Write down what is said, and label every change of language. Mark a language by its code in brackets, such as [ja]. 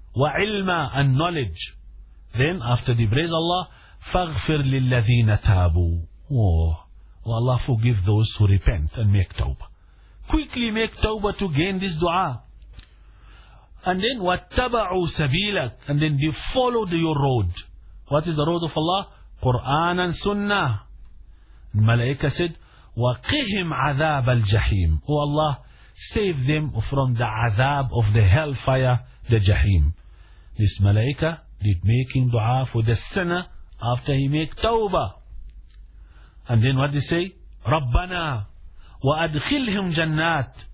[en] وَعِلْمَ and knowledge. Then, after the praise Allah, [ar] فَغْفِرْ لِلَّذِينَ تَابُوا. [en] Oh, Allah, forgive those who repent and make tawbah. Quickly make tawbah to gain this dua. And then, [ar] وَاتَّبَعُوا سَبِيلَكَ. [en] And then, they followed your road. What is the road of Allah? Quran and Sunnah. Malaika said, [ar] وَقِهِمْ عَذَابَ الْجَحِيمِ. [en] Oh Allah, save them from the azab of the hellfire, the Jahim. this malaika did make him dua for the sinner after he make tawbah. And then what they say? [ar] Rabbana wa adkhilhum jannat.